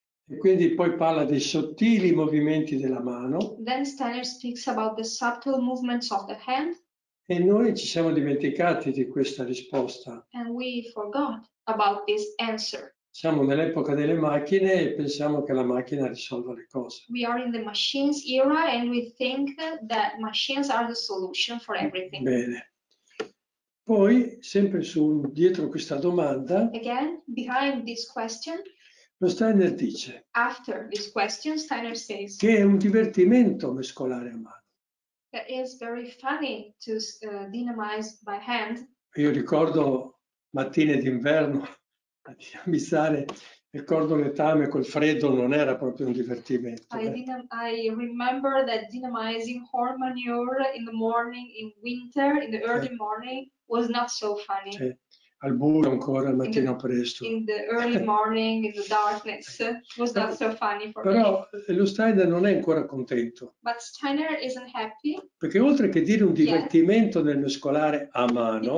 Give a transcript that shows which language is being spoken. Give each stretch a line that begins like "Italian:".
Italian: E quindi poi parla dei sottili movimenti della mano.
English: Then Steiner speaks about the subtle movements of the hand.
Italian: E noi ci siamo dimenticati di questa risposta.
English: And we forgot about this answer.
Italian: Siamo nell'epoca delle macchine e pensiamo che la macchina risolva le cose.
English: We are in the machines era and we think that machines are the solution for everything.
Italian: Bene. Poi, sempre dietro questa domanda.
English: Again, behind this question.
Italian: Lo Steiner dice
English: after this question, Steiner says,
Italian: che è un divertimento mescolare a mano.
English: That is very funny to dynamize by hand.
Italian: Io ricordo mattine d'inverno a dinamizzare, ricordo l'etame col freddo, non era proprio un divertimento.
English: I remember that dynamizing horn manure in the morning, in winter, in the early morning, was not so funny.
Italian: Sì. Al buio ancora al mattino presto.
English: In the early morning, in the darkness, was not so funny for
Italian: però,
English: me.
Italian: Però lo Steiner non è ancora contento.
English: But Steiner isn't happy.
Italian: Perché oltre che dire un divertimento nel mescolare a mano.